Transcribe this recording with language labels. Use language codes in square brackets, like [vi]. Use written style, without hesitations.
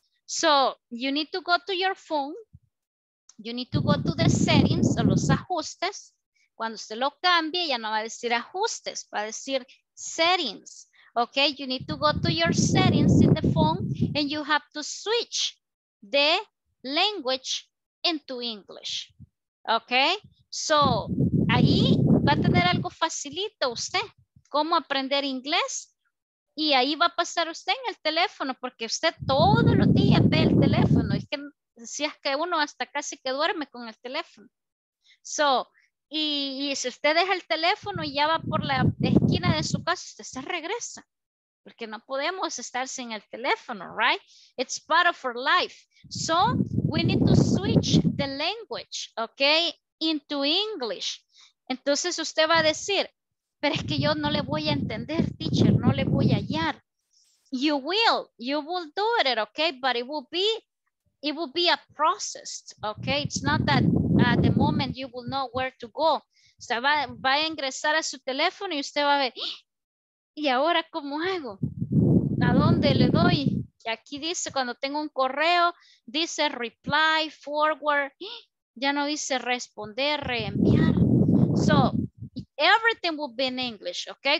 [en] So you need to go to your phone. You need to go to the settings, [es] o los ajustes. Cuando usted lo cambie, ya no va a decir ajustes, va a decir settings. [en] Okay, you need to go to your settings in the phone and you have to switch the language into English. [es] Okay, so ahí va a tener algo facilito usted, cómo aprender inglés. Y ahí va a pasar usted en el teléfono, porque usted todos los días ve el teléfono. Es que si es que uno hasta casi que duerme con el teléfono. So, y si usted deja el teléfono y ya va por la esquina de su casa, usted se regresa. Porque no podemos estar sin el teléfono, right? [en] It's part of our life. So, we need to switch the language, okay, into English. [es] Entonces, usted va a decir, pero es que yo no le voy a entender, teacher, no le voy a hallar. [en] You will do it, okay, but it will be a process, okay? It's not that at the moment you will know where to go. [es] Usted va a ingresar a su teléfono y usted va a ver, ¿y ahora cómo hago? ¿A dónde le doy? Y aquí dice, cuando tengo un correo, dice reply, forward, ya no dice responder, reenviar. [en] So, everything will be in English, okay?